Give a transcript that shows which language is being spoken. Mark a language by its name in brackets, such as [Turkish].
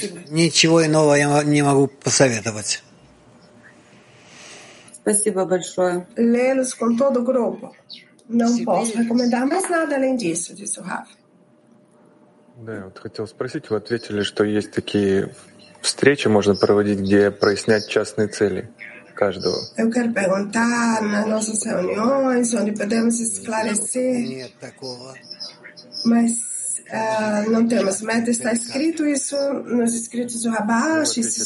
[Russian] Ничего иного я не могу посоветовать. Спасибо большое. [Portuguese] Лелус com todo grupo. Não posso recomendar mais nada além disso, disse o Rafa. [Russian] Да, вот хотел спросить, вы ответили, что есть такие встречи, можно проводить, где прояснять частные цели каждого. [Portuguese] Eu quero perguntar nas nossas reuniões onde podemos esclarecer. [Russian] Нет такого. [Portuguese] Mas não temos meta, está escrito isso nos escritos do Rabash.